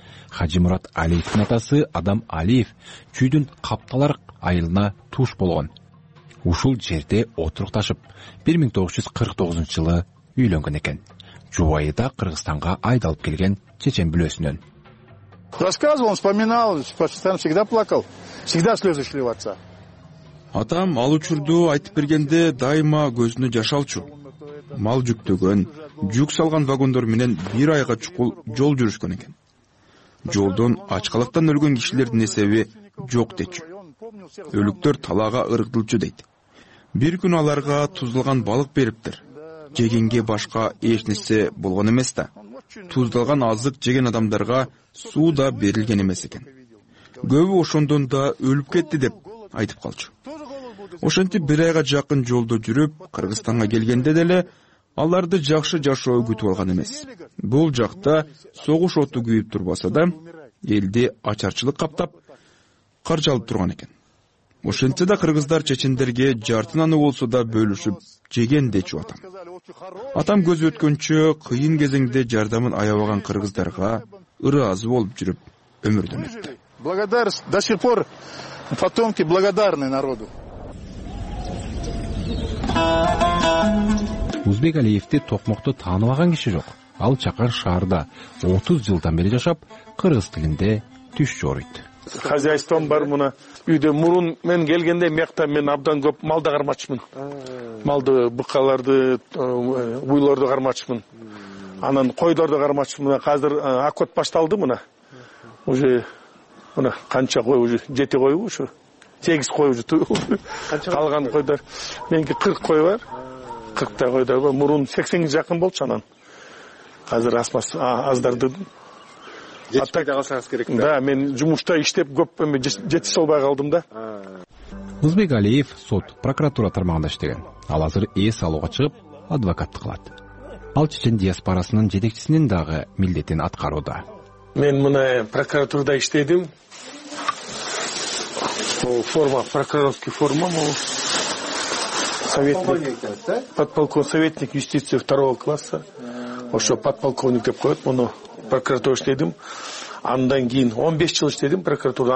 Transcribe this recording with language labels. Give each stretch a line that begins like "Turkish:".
Kyrgyz: Хажимурат Алиевдин атасы Адам Алиев Чүйдүн Капталар айылына туш болгон. Ушул жерде отурукташып, 1949 жылы үйлөнгөн экен. Жубайы да Кыргызстанга айдалып келген чечен бүлөсүнөн.
Russian: Рассказывал, вспоминал, всегда плакал, всегда слезы шли у отца.
Kyrgyz: Атам ал учурду айтып бергенде дайыма көзүнө жаш алчу. Мал жүктөгөн, жүк салган вагондор менен бир айга чукул жол жүрүшкөн экен. Жолдон ачкалыктан өлгөн кишилердин эсеби жок дечү. Өлүктөр талаага ыргытылчу дейт. Бир күн аларга тузулган балык бериптир. Жегенге башка эч нерсе болгон эмес да. Туздалган азык жеген адамдарга суу да берилген эмес экен. Көбү ошондон да өлүп кетти деп айтып калчу. Ошентип бир айга жакын жолдо жүрүп, Кыргызстанга келгенде деле аларды жакшы жашоо күтүп алган эмес. Бул жакта согуш оту күйүп турбаса да, элди ачарчылык каптап, каржалып турган экен. Ошентсе да кыргыздар чечендерге жартынаны болсо да бөлүшүп жеген дечүп атам. Атам көзү өткөнчө кыйын кезеңде жардамын аябаган кыргыздарга ыраазы болуп жүрүп өмүрдөн өттү.
Russian: Благодар до сих пор потомки благодарны народу.
Kyrgyz: Узбек Алиевди токмокто тааныбаган киши жок. Ал Чакыр шаарында 30 жылдан бери жашап, кыргыз тилинде түш жоруйт. Хозяйством бар муна. Үйдө мурун мен келгенде мектеп мен абдан көп малды кармачмын. Малды, быкаларды, буйларды кармачмын. Анан койдорду кармачмын. Азыр акот башталды муна. Уже муна канча кой уже 7 кой ушу. 8 кой уже калган койдор. Менки 40 кой бар. 40 та койдор бар. Мурун 80 жакын болчу анан. Азыр аздарды жетишпей калсаңыз керек да. Да, мен жумушта иштеп көп жетишип албай калдым да. Узбек Алиев сот, прокуратура тармагында иштеген. Ал азыр эс алууга чыгып, адвокаттык кылат. Ал чечен диаспорасынын жетекчисинин дагы милдетин аткарууда. Мен мына прокуратурада иштедим. Бул форма,
Russian: прокурорский форма,
Kyrgyz: бул советник.
Russian: Подполковник советник юстиции 2 класса.
Kyrgyz: Ошо подполковник деп коёт муну. Прокуратура иштедим. Андан кийин 15 жыл иштедим прокуратурада.